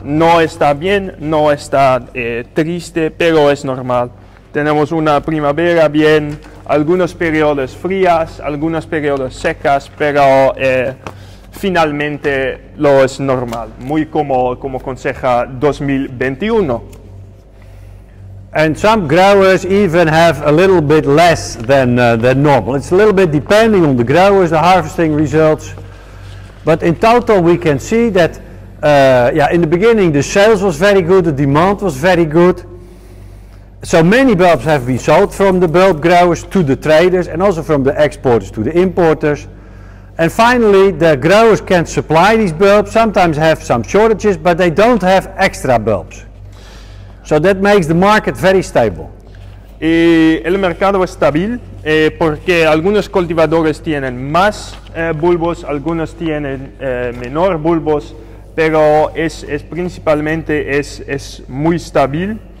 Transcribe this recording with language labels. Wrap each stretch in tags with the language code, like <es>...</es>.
<es>No está bien, no está triste, pero es normal. Tenemos una primavera bien, algunos periodos frías, algunos periodos secas, pero finalmente lo es normal, muy como conseja 2021.</es> <en>And some growers even have a little bit less than normal. It's a little bit depending on the growers, the harvesting results. But in total we can see that in the beginning the sales was very good, the demand was very good. So many bulbs have been sold from the bulb growers to the traders and also from the exporters to the importers. And finally, the growers can supply these bulbs, sometimes have some shortages, but they don't have extra bulbs. So that makes the market very stable.</en> <es>Y el mercado es estable porque algunos cultivadores tienen más bulbos, algunos tienen menor bulbos, pero es principalmente es muy estable.</es>